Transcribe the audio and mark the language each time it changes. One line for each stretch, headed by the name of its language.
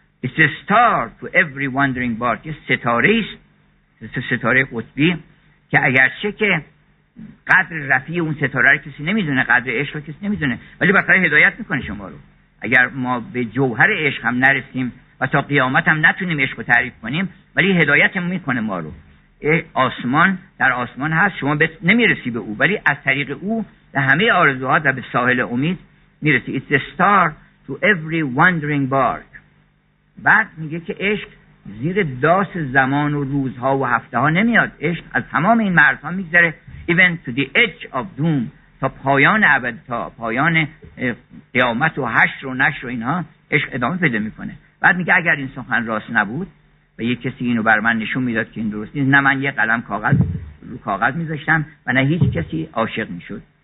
English: It's a star to every wandering bark،
Persian: یه ستاره است، ستاره قطبی، که اگرچه که قدر رفیع اون ستاره رو کسی نمیدونه، قدر عشق رو کسی نمیدونه، ولی بالاخره هدایت میکنه شما رو. اگر ما به جوهر عشق هم نرسیم و تا قیامت هم نتونیم عشق رو تعریف کنیم، ولی هدایت میکنه ما رو. آسمان در آسمان هست، شما نمیرسی به او، ولی از طریق او به همه آرزوها و به ساحل امید میرسی.
English: It's a star to every wandering bark.
Persian: بعد میگه که عشق زیر داس زمان و روزها و هفته ها نمیاد، عشق از تمام این مرزها میگذره.
English: Even to the edge of doom،
Persian: تا پایان ابد، تا پایان قیامت و حشر و نشر و اینها عشق ادامه پیدا میکنه. بعد میگه اگر این سخن راست نبود و یه کسی اینو بر من نشون میداد که این درست نیست، نه من یه قلم کاغذ رو کاغذ میذاشتم و نه هیچ کسی عاشق میشد.